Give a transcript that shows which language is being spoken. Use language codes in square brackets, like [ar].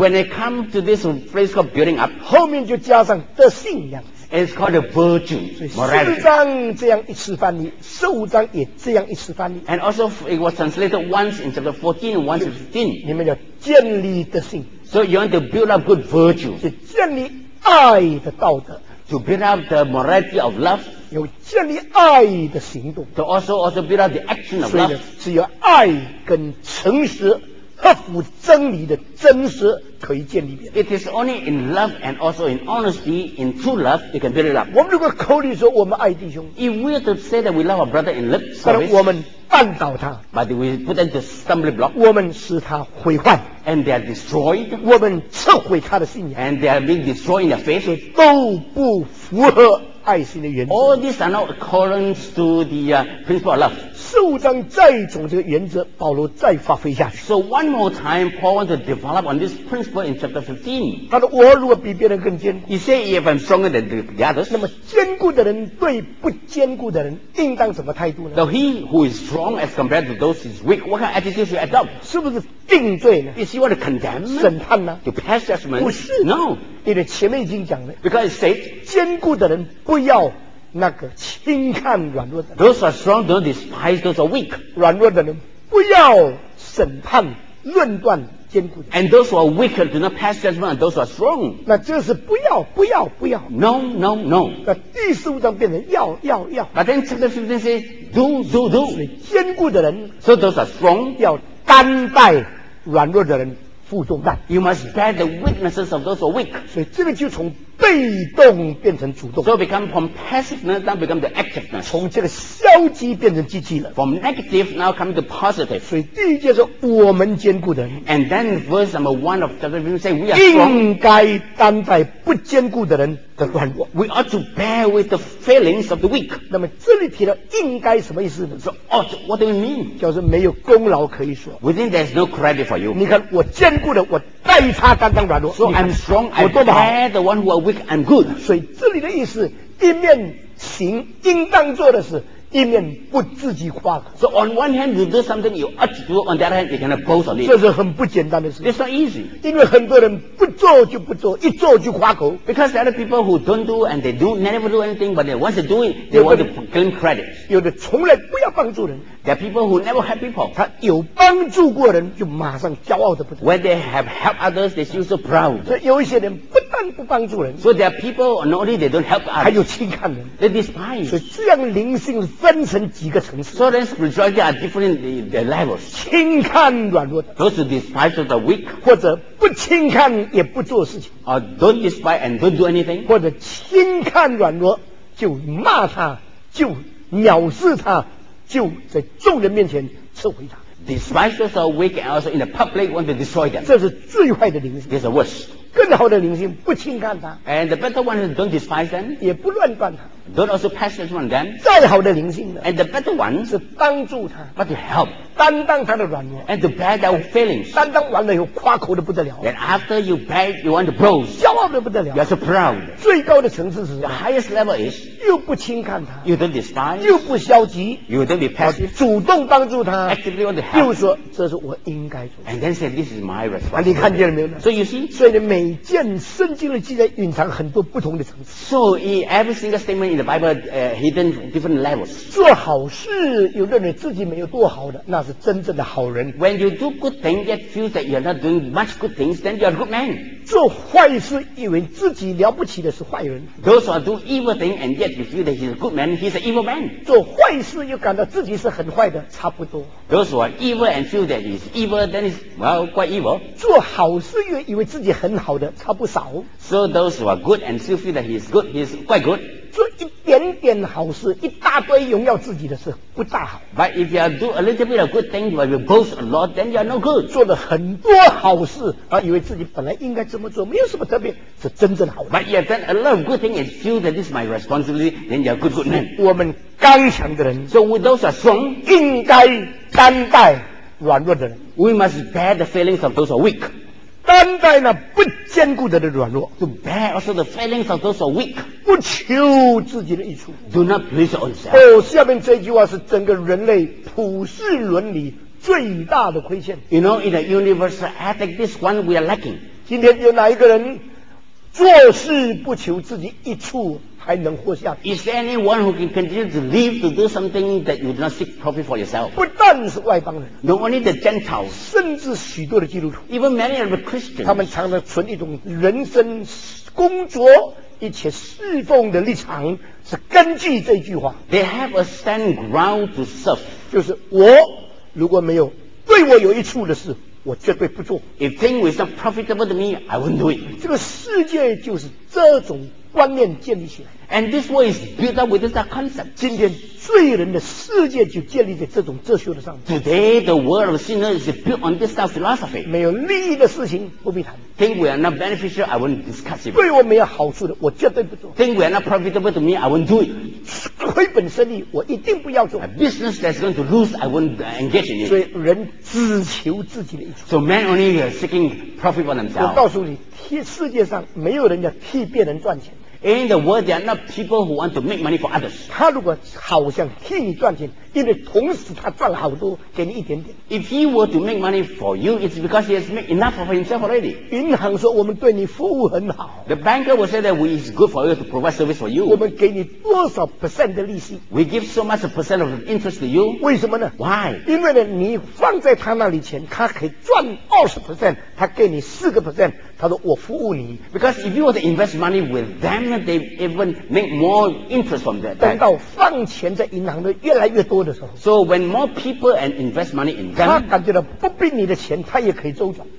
[en] when it comes to this phrase called building up [zh] 后面就加上的信仰 [en] it's called a virtue, morality [zh] 十四章这样一次翻译十五章也这样一次翻译 [en] and also it was translated once in chapter 14 and once in 15 [zh] 你们叫建立的信 [en] so you want to build up good virtue [zh] 是建立爱的道德 [en] to build up the morality of love [zh] 有建立爱的行动 [en] to also build up the action of love [zh] 只有爱跟诚实合乎真理的真实可以建立别人 [en] it is only in love and also in honesty in true love you can build it up [zh] 我们如果口里说我们爱弟兄 [en] if we are to say that we love our brother in love service [zh] 但我们绊倒他 [en] but we put into stumbling block [zh] 我们使他毁坏 [en] and they are destroyed [zh] 我们摧毁他的信仰 [en] and they are being destroyed in their faith [zh] 都不符合爱心的原则 [en] All these are not according to the principle of love [zh] 十五章再从这个原则保罗再发挥下去 [en] So one more time Paul wants to develop on this principle in chapter 15 [zh] 他说我如果比别人更坚固 [en] He said if I'm stronger than the others [zh] 那么坚固的人对不坚固的人应当什么态度呢 [en] Now he who is strong as compared to those who is weak What kind of attitude should adopt [zh] 是不是定罪呢 [en] Is he want to condemn [zh] 审判呢 [en] To pass judgment [zh] 不是 [en] No [zh] 因为前面已经讲了 [en] Because it said [zh] 坚固的人不要那个轻看软弱的人 [en] Those are strong, don't despise those are weak [zh] 软弱的人不要审判论断坚固的人 [en] And those who are weak do not pass judgment on those who are strong [zh] 那这是不要不要不要 [en] No, no, no [zh] 那第十五章变成要要要 [en] But then chapter 15 says do, do, do [zh] 所以坚固的人 [en] So those are strong [zh] 要担待软弱的人负重担 [en] You must bear the weaknesses of those who are weak [zh] 所以这个就从被动变成主动 [en] So become from passiveness now become the activeness [zh] 从这个消极变成积极了 [en] From negative now come to positive [zh] 所以第一节是我们坚固的人 [en] And then verse number one of chapter 15 say we are [zh] 应该担待不坚固的人的软弱 [en] We ought to bear with the failings of the weak [zh] 那么这里提到应该什么意思呢 [en] So ought what do you mean [zh] 就是没有功劳可以说 [en] We think there's no credit for you [zh] 你看我坚固的我代他担当软弱 [en] So I'm strong I bear the one who are weak and good [zh] 所以这里的意思一面行应当做的事一面不自己夸口 [en] So on one hand you do something you ought to do on the other hand you cannot boast on it [zh] 这是很不简单的事 [en] It's not easy [zh] 因为很多人不做就不做一做就夸口 [en] Because there are people who don't do and they do never do anything but once they do it they want to claim credit [zh] 有的从来不要帮助人 [en] There are people who never help people. [zh] 他有帮助过人，就马上骄傲的不得。 [en] When they have helped others, they feel so proud. [zh] 所以有一些人不但但不帮助人。 [en] So there are people not only they don't help us， [zh] 还有轻看人。 [en] They despise。 [zh] 所以这样灵性分成几个层次。 [en] So then spirituality are different the levels。 [zh] 轻看软弱。 [en] Those who despise the weak。 [zh] 或者不轻看也不做事情。 [en] Don't despise and don't do anything。 [zh] 或者轻看软弱就骂他，就藐视他，就在众人面前斥回他。 [en] Despisers are weak and also in the public want to destroy them。 [zh] 这是最坏的灵性。 [en] This is worse。 [zh] 更好的灵性不轻看他。 [en] And the better ones don't despise them。 [zh] 也不乱断他。 [en] Don't also pass judgment on them。 [zh] 再好的灵性呢 [en] ？And the better ones [zh] 是帮助他。 [en] But to help。 [zh] 担当他的软弱。 [en] And to bear their feelings。 [zh] 担当完了以后夸口的不得了。 [en] And after you bear, you want to boast。 [zh] 骄傲的不得了。 [en] You're so proud。 [zh] 最高的层次是什么 [en] ？The highest level is。 [zh] 又不轻看他。 [en] You don't despise。 [zh] 又不消极。 [en] You don't be passive。 [zh] 主动帮助他。 [en] Actively want to help。 [zh] 又说这是我应该做的。 [en] And then say this is my responsibility。 [zh] 你看见了没有呢 [en] ？So you see。 [zh] 所以呢，每件圣经的记载隐藏很多不同的层次。 [en] So every single statement。 In the Bible, hidden different levels. [zh] 做好事又认为自己没有做好的，那是真正的好人。 [en] When you do good things, yet feel that you're not doing much good things, then you're a good man. [zh] 做坏事以为自己了不起的是坏人。 [en] Those who do evil things and yet you feel that he's a good man, he's an evil man. [zh] 做坏事又感到自己是很坏的，差不多。 [en] Those who are evil and feel that he's evil, then he's well quite evil. [zh] 做好事又以为自己很好的，差不少。 [en] So those who are good and still feel that he's good, he's quite good. [zh] 做一点点好事，一大堆荣耀自己的事，不大好。 [en] But if you do a little bit of good thing, but you boast a lot, then you are no good. [zh] 做了很多好事，而以为自己本来应该这么做，没有什么特别，是真正好的。 [en] But you have done a lot of good thing and feel that this is my responsibility, then you are good man. [zh] 我们刚强的人 [en] ，So with those are strong, [zh] 应该担待软弱的人。 [en] We must bear the feelings of those who are weak. [zh] 担待那不坚固的软弱 [en] to bear also the feelings of those who are weak [zh] 不求自己的益处 [en] do not please yourself [zh] 下面这句话是整个人类普世伦理最大的亏欠 [en] you know in the universal ethic this one we are lacking [zh] 今天有哪一个人做事不求自己益处还能活下去 [en] is there anyone who can continue to live to do something that you do not seek profit for yourself [zh] 不但是外邦人 [en] not only the Gentiles [zh] 甚至许多的基督徒 [en] even many of the Christians [zh] 他们常常存一种人生工作一切侍奉的立场是根据这句话 [en] they have a stand ground to serve [zh] 就是我如果没有对我有益处的事我绝对不做 [en] if thing is not profitable to me I won't do it [zh] 这个世界就是这种观念建立起来 [en] and this world is built up with that concept [zh] 今天罪人的世界就建立在这种哲学的上面 [en] today the world of sinners is built on this philosophy [zh] 没有利益的事情不必谈 [en] think we are not beneficial I won't discuss it [zh] 对我没有好处的我绝对不做 [en] think we are not profitable to me I won't do it [zh] 亏本生意我一定不要做 [en] a business that's going to lose I won't engage in it [zh] 所以人只求自己的益处 [en] so men only are seeking profit for themselves [zh] 我告诉你世界上没有人要替别人赚钱 [en] In the world, there are not people who want to make money for others. [zh] 他如果好像替你赚钱，因为同时他赚了好多，给你一点点。 [en] If he were to make money for you, it's because he has made enough of himself already. [zh] 银行说我们对你服务很好。 [en] The banker will say that we is good for you to provide service for you. [zh] 我们给你多少 percent 的利息 [en] ？We give so much percent of interest to you. [zh] 为什么呢 [en] ？Why？ [zh] 因为呢，你放在他那里钱，他可以赚20%，他给你4%。他说我服务你 [en] because if you were to invest money with them they even make more interest from that [zh] 等到放钱在银行的越来越多的时候 [en] so when more people and invest money in them [zh] 他感觉到不必你的钱他也可以周转